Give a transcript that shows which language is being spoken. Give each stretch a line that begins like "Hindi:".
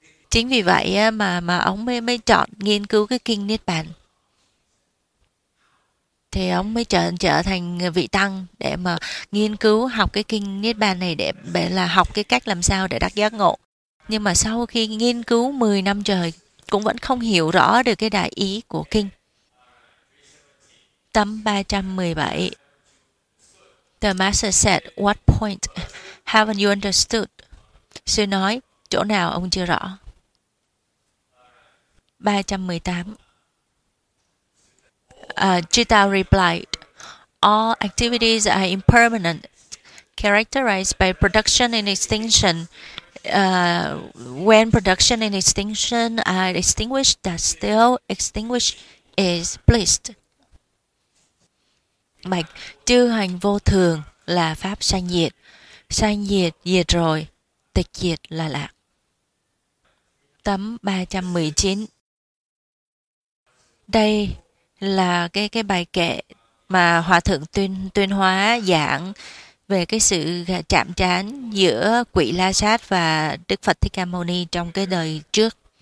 Vietnamese: Chính vì vậy ấy, mà ông mới mới chọn nghiên cứu cái kinh Niết Bàn, thì ông mới trở trở thành vị tăng để mà nghiên cứu học cái kinh Niết Bàn này, để là học cái cách làm sao để đắc giác ngộ. Nhưng mà sau khi nghiên cứu 10 năm trời cũng vẫn không hiểu rõ được cái đại ý của kinh. Tấm 317.
English: The master said, "What point haven't you understood?"
Vietnamese: Sư nói, chỗ nào ông chưa rõ? 318.
English: Chitta replied, "All activities are impermanent, characterized by production and extinction. When production and extinction are extinguished, that still extinguished is bliss."
Vietnamese: Bạch, chư hành vô thường là pháp sanh diệt. Sanh diệt, diệt rồi, tịch diệt là lạc. Tấm 319. Đây là cái bài kệ mà Hòa Thượng tuyên tuyên hóa giảng về cái sự chạm trán giữa Quỷ La Sát và Đức Phật Thích Ca Mâu Ni trong cái đời trước.